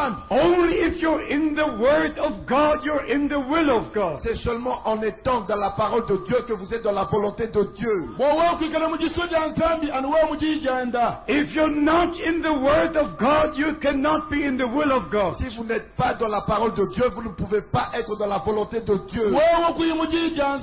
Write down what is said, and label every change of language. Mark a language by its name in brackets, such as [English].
[English] Only if you're in the word of God, you're in the will of God. [French] C'est seulement en étant dans la parole de Dieu que vous êtes dans la volonté de Dieu. [English] If you're not in the word of God, you cannot be in the will of God. [French] Si vous n'êtes pas dans la parole de Dieu, vous ne pouvez pas être dans la volonté de Dieu.